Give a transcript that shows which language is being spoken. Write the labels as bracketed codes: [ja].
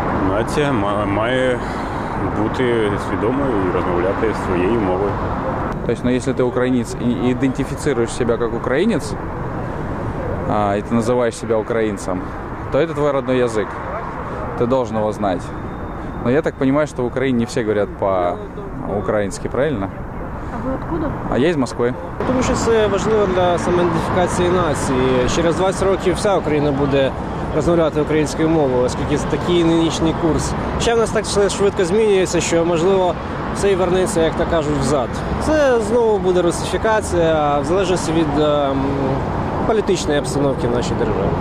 [uk] Нація має бути свідомою і розмовляти своєю мовою. Тобто, ну, якщо ти українець і ідентифікуєш себе як українець, і ти називаєш себе українцем, то це твій рідний язик. Ти повинен його знати. [ru] Но я так понимаю, что в Украине не все говорят по-украински, правильно? А вы откуда? А я из Москвы. Потому что это важно для самоидентификации нации. Через 20 лет вся Украина будет [uk] розмовляти українською мовою, оскільки це такий нинішній курс. Ще в нас так швидко змінюється, що, можливо, все і вернеться, як то кажуть, взад. Це знову буде русифікація, в залежності від політичної обстановки в нашій державі.